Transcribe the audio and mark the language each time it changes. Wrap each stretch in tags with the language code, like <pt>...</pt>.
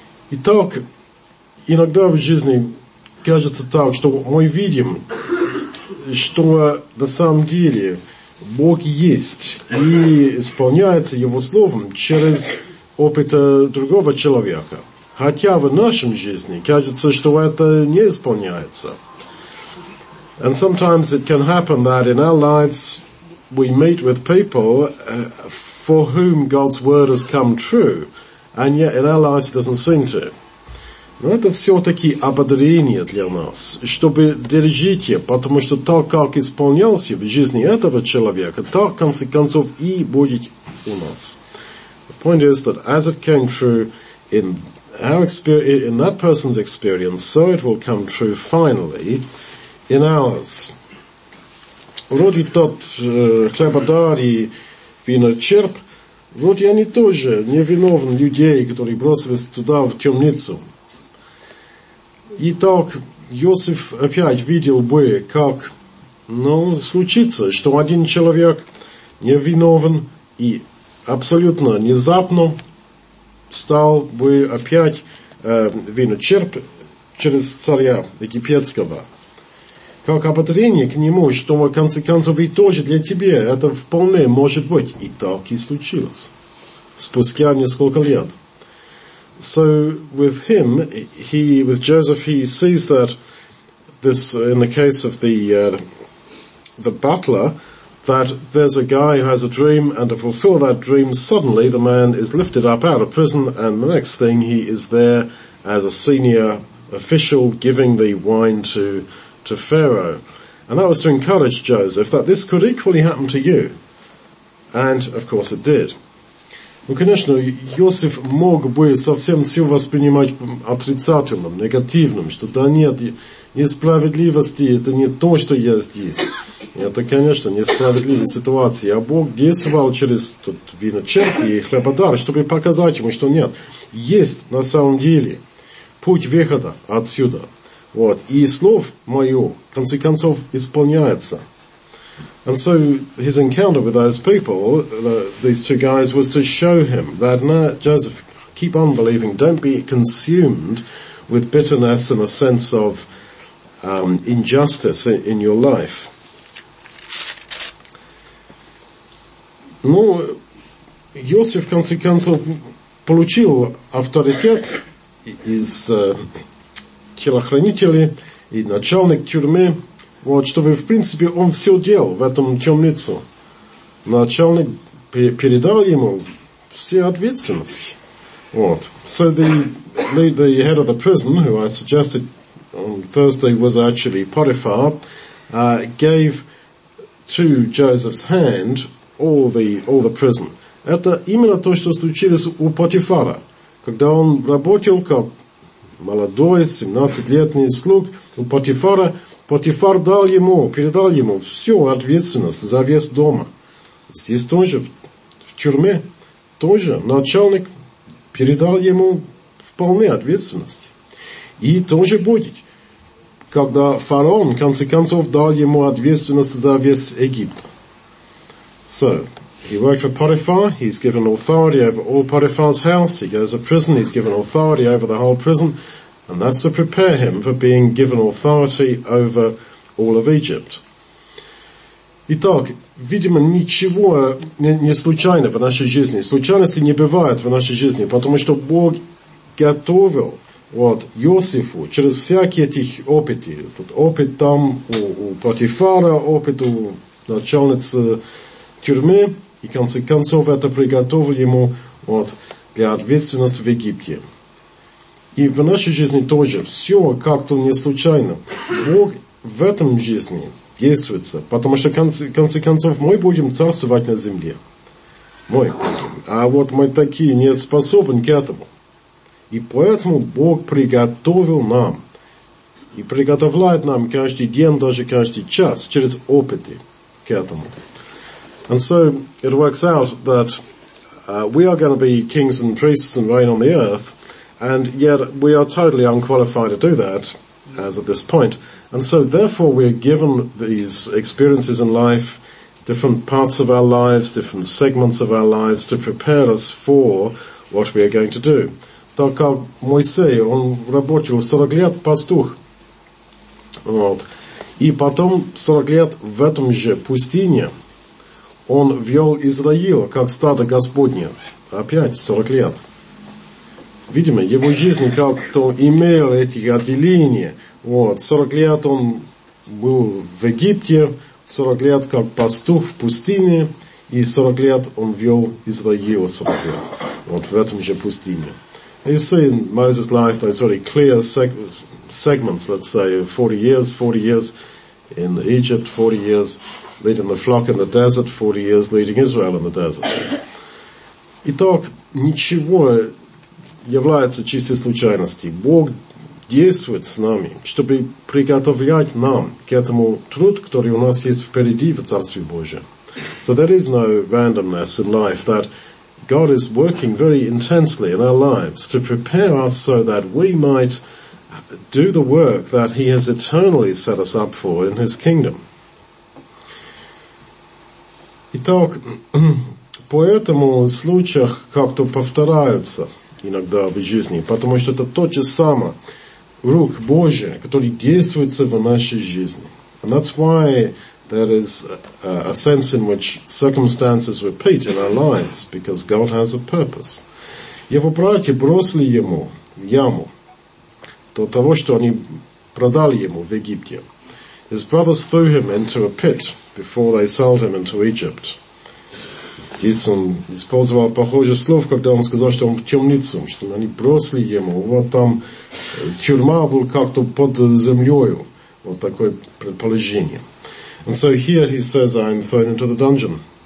<ru>Итак, иногда в жизни кажется так, что мы видим, что на самом деле Бог есть и исполняется Его Словом через опыт другого человека. Хотя в нашем жизни кажется, что это не исполняется.</ru> <en>And sometimes it can happen that in our lives we meet with people for whom God's word has come true, and yet in our lives it doesn't seem to.</en> <ru>Но это все-таки ободрение для нас, чтобы держите, потому что так, как исполнялся в жизни этого человека, так, в конце концов, и будет у нас.</ru> <en>The point is that as it came true in our experience, in that person's experience, so it will come true finally in ours.</en> <ru>Вроде тот хлебодари виночерп, вроде они тоже не виновны людей, которые бросились туда в темницу. Итак, Иосиф опять видел бы, как, ну, случится, что один человек не виновен и абсолютно внезапно стал бы опять виночерп через царя египетского. Как ободрение к нему, что в конце концов и тоже для тебя, это вполне может быть. И так и случилось. Спустя несколько лет.</ru> <en>So with him, he, with Joseph, he sees that this, in the case of the butler, that there's a guy who has a dream, and to fulfill that dream, suddenly the man is lifted up out of prison, and the next thing, he is there as a senior official giving the wine to Pharaoh. And that was to encourage Joseph that this could equally happen to you. And, of course, it did.</en> <ru>Ну, конечно, Иосиф мог бы совсем все воспринимать отрицательным, негативным, что да нет, несправедливости, это не то, что я здесь. Это, конечно, несправедливая ситуация. А Бог действовал через тот виночерп и хлебодар, чтобы показать ему, что нет, есть на самом деле путь выхода отсюда. Вот. И слов мое, в конце концов, исполняется.</ru> <en>And so his encounter with those people, these two guys, was to show him that, no, Joseph, keep on believing. Don't be consumed with bitterness and a sense of injustice in your life.</en> <ru>Ну, Иосиф, в конце концов, получил авторитет из телохранителей и начальник тюрьмы. Вот, чтобы, в принципе, он все делал в этом темнице. Начальник передал ему все ответственности. Вот.</ru> <en>So the head of the prison, who I suggested on Thursday was actually Potiphar, gave to Joseph's hand all the prison.</en> <ru>Это именно то, что случилось у Потифара. Когда он работал как молодой, 17-летний слуг у Потифара, Потифар дал ему, передал ему всю ответственность за весь дома. Здесь тоже, в тюрьме, тоже начальник передал ему вполне ответственность. И тоже будет, когда фараон, в конце концов, дал ему ответственность за весь Египет.</ru> <en>So, he worked for Potiphar, he's given authority over all Potiphar's house, he goes to prison, he's given authority over the whole prison. And that's to prepare him for being given authority over all of Egypt.</en> <ru>Итак, видимо, ничего не случайно в нашей жизни. Случайности не бывает в нашей жизни, потому что Бог готовил вот Иосифу через всякие этих опыты. Тут опыт там у Потифара, опыт у начальницы тюрьмы, и в конце концов это приготовил ему вот для ответственности в Египте. И в нашей жизни тоже все как-то не случайно. Бог в этом жизни действуется, потому что в конце концов мы будем царствовать на земле. Мы. А вот мы такие не способны к этому. И поэтому Бог приготовил нам. И приготовляет нам каждый день, даже каждый час, через опыты к этому.</ru> <en>And so it works out that we are going to be kings and priests and reign on the earth. And yet we are totally unqualified to do that, as at this point. And so therefore we are given these experiences in life, different parts of our lives, different segments of our lives, to prepare us for what we are going to do.</en> <ru>Так как Моисей, он работал 40 лет пастух. Вот. И потом 40 лет в этом же пустыне он вел Израиль как стадо Господне. Опять 40 лет. Видимо, его жизнь как-то имела эти отделения. Вот, 40 лет он был в Египте, 40 лет как пастух в пустыне, и 40 лет он вел Израиль 40 лет. Вот, в этом же пустыне.</ru> <en>You see, in Moses' life, there's very clear segments, let's say, 40 years in Egypt, 40 years leading the flock in the desert, 40 years leading Israel in the desert.</en> <ru>Итак, ничего не является чистой случайностью. Бог действует с нами, чтобы приготовлять нам к этому труд, который у нас есть впереди в Царстве Божьем.</ru> <en>So there is no randomness in life, that God is working very intensely in our lives to prepare us so that we might do the work that He has eternally set us up for in His kingdom.</en> <ru>Итак, поэтому в случаях как-то повторяются иногда в жизни, потому что это то же самое рук Божие, которые действуют в нашей жизни.</ru> <en>And that's why there is a sense in which circumstances repeat in our lives, because God has a purpose.</en> <ru>Его братья бросили ему в яму до того, что они продали ему в Египте.</ru> <en>His brothers threw him into a pit before they sold him into Egypt.</en> <ru>Здесь он использовал похожие слова, когда он сказал, что он в темницу, что они бросили ему. Вот там тюрьма была как-то под землей. Вот такое предположение.</ru> <en>And so here he says, I am thrown into the dungeon.</en>